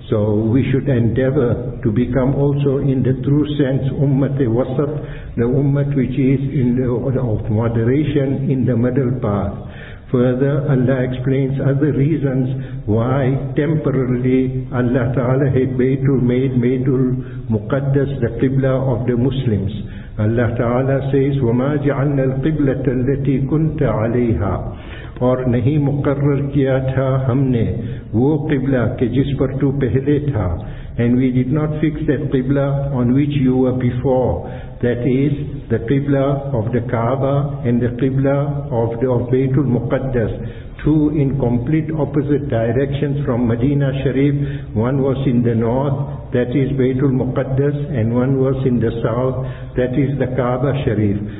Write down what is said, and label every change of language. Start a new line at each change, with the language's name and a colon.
English: So we should endeavor to become also in the true sense ummat-e-wasat, the ummah which is in the of moderation in the middle path. Further, Allah explains other reasons why temporarily Allah Ta'ala had Baytul Muqaddas the Qibla of the Muslims. Allah Ta'ala says,
Arabic: وَمَا جَعَلْنَا الْقِبْلَةَ الَّتِي كُنْتَ عَلَيْهَا.
Urdu: اور نہیں مقرر کیا تھا ہم نے وہ قبلہ کہ جس پر تو پہلے تھا.
English: And we did not fix that Qibla on which you were before. That is the Qibla of the Kaaba and the Qibla of Baytul Muqaddas, two in complete opposite directions from Medina Sharif. One was in the north, that is Baytul Muqaddas, and one was in the south, that is the Kaaba Sharif.